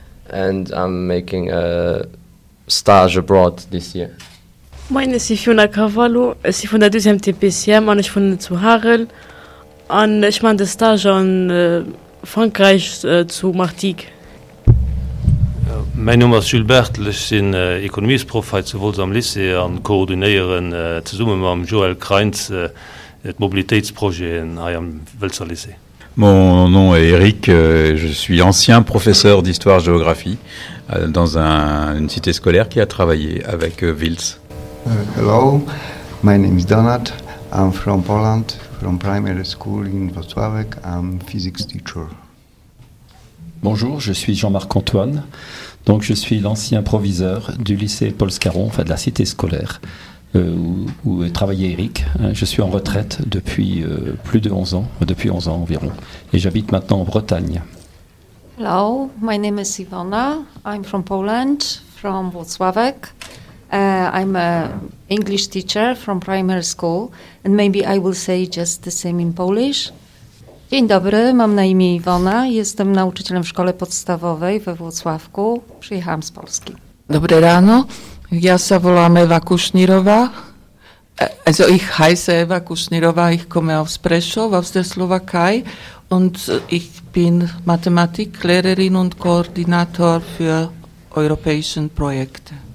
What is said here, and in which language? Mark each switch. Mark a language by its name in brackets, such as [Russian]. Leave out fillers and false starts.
[English] And I'm making a stage abroad this year. My name is Sifuna Carvalho. I'm from the 2e TPCM. I'm from Zuharel. And I'm making a stage in France to Martigues. [German] Mein Name ist Jules Bertel, ich bin Ökonomieprofessor sowohl am Lycée und koordiniere zusammen mit Joël Kreinz das Mobilitätsprojekt am Welser Lycée. [French] Mon nom est Eric, je suis ancien professeur d'histoire-géographie dans une cité scolaire qui a travaillé avec Wils. [English] Hello, my name is Donat, I'm from Poland, from primary school in Wrocławek, I'm physics teacher. [French] Bonjour, je suis Jean-Marc Antoine. Donc je suis l'ancien proviseur du lycée Paul Scarron, enfin de la cité scolaire, où travaillait Eric. Je suis en retraite depuis plus de 11 ans, depuis 11 ans environ, et j'habite maintenant en Bretagne. [English] Hello, my name is Ivana. I'm from Poland, from Wrocławek. I'm an English teacher from primary school, and maybe I will say just the same in Polish. [Polish] Dzień dobry, mam na imię Iwona, jestem nauczycielem w szkole podstawowej we Włocławku, przyjechałam z Polski. [Slovak] Dobre rano, ja se volam [German] Ewa Kusznirowa, also ich heiße Ewa Kusznirowa, ich komme aus Preszow, aus der Slowakei und ich bin Mathematiklehrerin und Koordinator für europäische Projekte.